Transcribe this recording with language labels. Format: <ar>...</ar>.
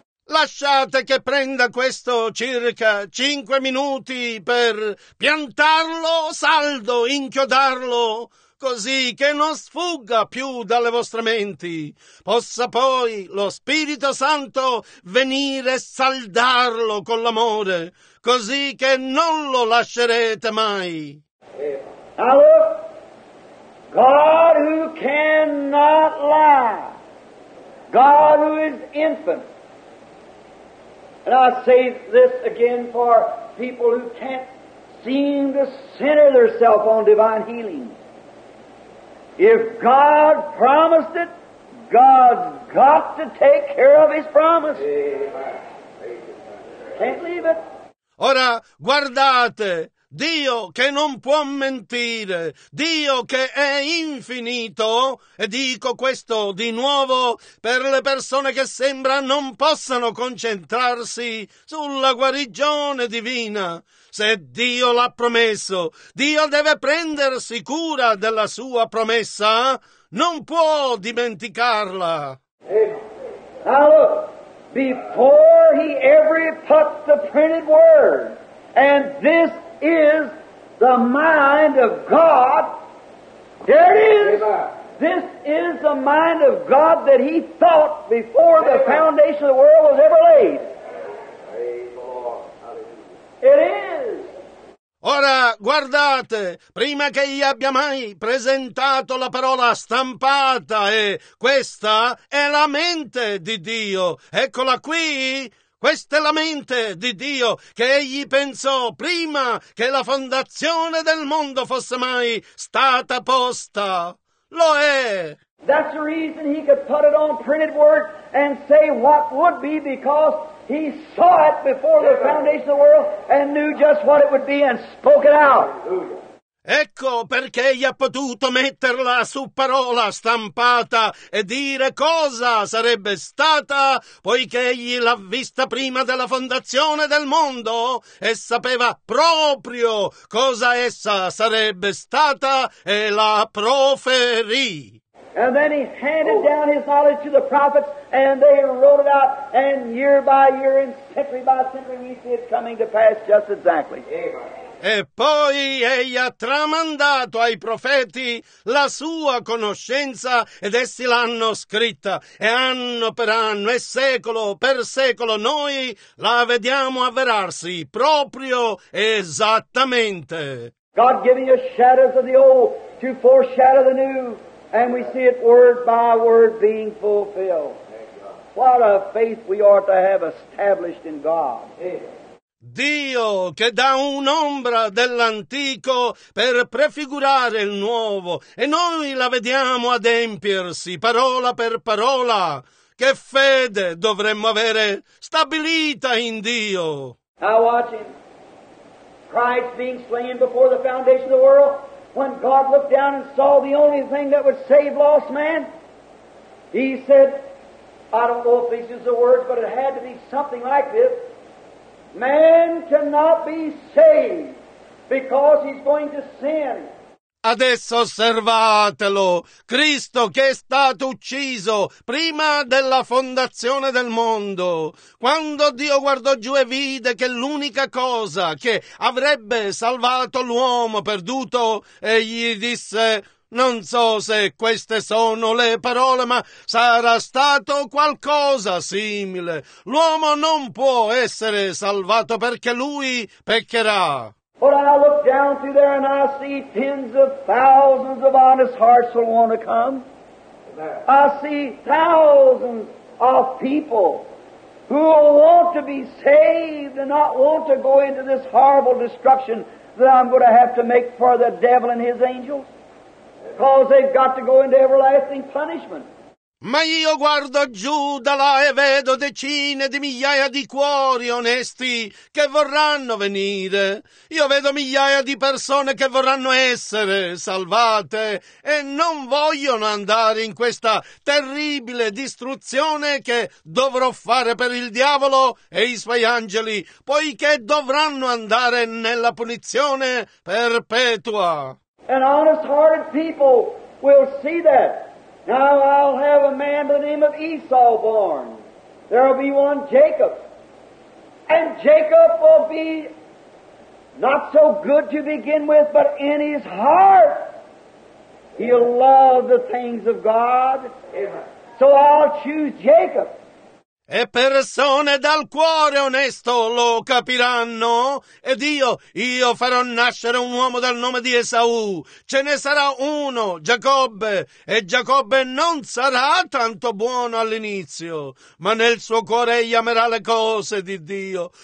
<it>Lasciate che prenda questo circa 5 minuti per piantarlo saldo, inchiodarlo, così che non sfugga più dalle vostre menti. Possa poi lo Spirito Santo venire e saldarlo con l'amore, così che non lo lascerete mai.</it> <en>Now look, God who cannot lie, God who is infant, and I say this again for people who can't seem to center themselves on divine healing, if God promised it, God's got to take care of His promise. Can't leave it.</en> <it>Ora, guardate. Dio che non può mentire, Dio che è infinito, e dico questo di nuovo per le persone che sembra non possano concentrarsi sulla guarigione divina. Se Dio l'ha promesso, Dio deve prendersi cura della sua promessa, non può dimenticarla. Allora,</it> <en>before he ever put the printed word, and this is the mind of God. There it is. Amen. This is the mind of God that he thought before the foundation of the world was ever laid. It is.</en> <it>Ora, guardate, prima che gli abbia mai presentato la parola stampata, e questa è la mente di Dio. Eccola qui. Questa è la mente di Dio che egli pensò prima che la fondazione del mondo fosse mai stata posta. Lo è.</it> <en>That's the reason he could put it on printed word and say what would be, because he saw it before the foundation of the world and knew just what it would be and spoke it out.</en> <it>Ecco perché egli ha potuto metterla su parola stampata e dire cosa sarebbe stata, poiché egli l'ha vista prima della fondazione del mondo e sapeva proprio cosa essa sarebbe stata e la proferì.</it> <en>And then he handed down his knowledge to the prophets, and they wrote it out, and year by year and century by century we see it coming to pass just exactly. Amen.</en> <it>E poi egli ha tramandato ai profeti la sua conoscenza ed essi l'hanno scritta, e anno per anno e secolo per secolo noi la vediamo avverarsi proprio esattamente.</it> <en>God giving us shadows of the old to foreshadow the new, and we see it word by word being fulfilled. What a faith we ought to have established in God.</en> <it>Dio che dà un'ombra dell'antico per prefigurare il nuovo, e noi la vediamo adempiersi parola per parola. Che fede dovremmo avere stabilita in Dio!</it> <en>Now watch him. Christ being slain before the foundation of the world, when God looked down and saw the only thing that would save lost man, he said, I don't know if these are the words, but it had to be something like this. Man cannot be saved because he's going to sin.</en> <it>Adesso osservatelo, Cristo che è stato ucciso prima della fondazione del mondo. Quando Dio guardò giù e vide che l'unica cosa che avrebbe salvato l'uomo perduto, egli disse: non so se queste sono le parole, ma sarà stato qualcosa simile. L'uomo non può essere salvato perché lui peccherà.</it> <en>But I look down through there and I see tens of thousands of honest hearts will want to come. I see thousands of people who will want to be saved and not want to go into this horrible destruction that I'm going to have to make for the devil and his angels. Because they've got to go into everlasting punishment.</en> <it>Ma io guardo giù da là e vedo decine di migliaia di cuori onesti che vorranno venire. Io vedo migliaia di persone che vorranno essere salvate e non vogliono andare in questa terribile distruzione che dovrò fare per il diavolo e i suoi angeli, poiché dovranno andare nella punizione perpetua.</it> <en>And honest-hearted people will see that. Now I'll have a man by the name of Esau born. There will be one Jacob. And Jacob will be not so good to begin with, but in his heart he'll love the things of God. So I'll choose Jacob.</en> <it>E persone dal cuore onesto lo capiranno. Ed io farò nascere un uomo dal nome di Esau. Ce ne sarà uno, Giacobbe. E Giacobbe non sarà tanto buono all'inizio, ma nel suo cuore egli amerà le cose di Dio.</it>